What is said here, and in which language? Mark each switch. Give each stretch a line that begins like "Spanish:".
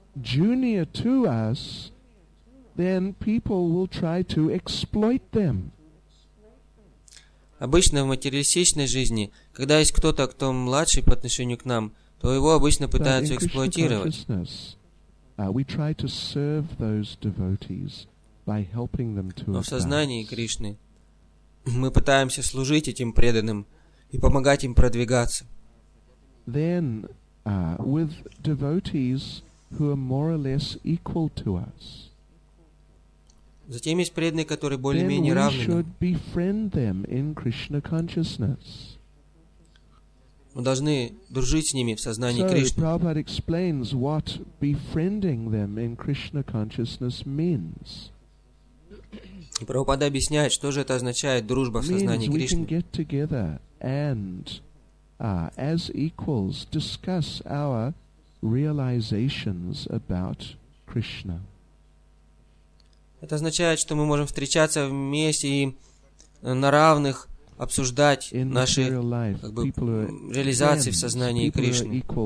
English: Junior to us, then people will try to exploit them.
Russian: Обычно в материалистичной жизни, когда есть кто-то, кто младше по отношению к нам, то его обычно пытаются эксплуатировать. Но в сознании Кришны мы пытаемся служить этим преданным и помогать им продвигаться.
English: Then, with devotees who are more or less equal to us.
Russian: Затем есть преданные, которые более-менее равны нам.
English: Then we should befriend them in Krishna consciousness.
Russian: Мы должны дружить с ними в сознании Кришны.
English: So Prabhupada explains what befriending them in Krishna consciousness means.
Russian: Прабхупада объясняет, что же это означает дружба в сознании Кришны.
English: Means we can get together and, as equals, discuss our realizations about Krishna.
Russian: Это означает, что мы можем встречаться вместе и на равных обсуждать наши реализации в сознании Кришны.